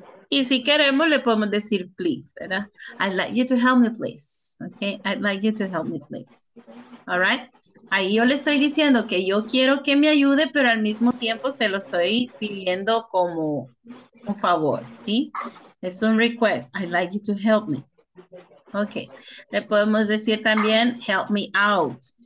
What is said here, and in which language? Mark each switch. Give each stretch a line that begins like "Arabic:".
Spanish: Y si queremos, le podemos decir please, ¿verdad?
English: I'd like you to help me, please. Ok, I'd like you to help me, please. All right.
Spanish: Ahí yo le estoy diciendo que yo quiero que me ayude, pero al mismo tiempo se lo estoy pidiendo como un favor, ¿sí? Es un request.
English: I'd like you to help me.
Spanish: Ok. Le podemos decir también,
English: help me out.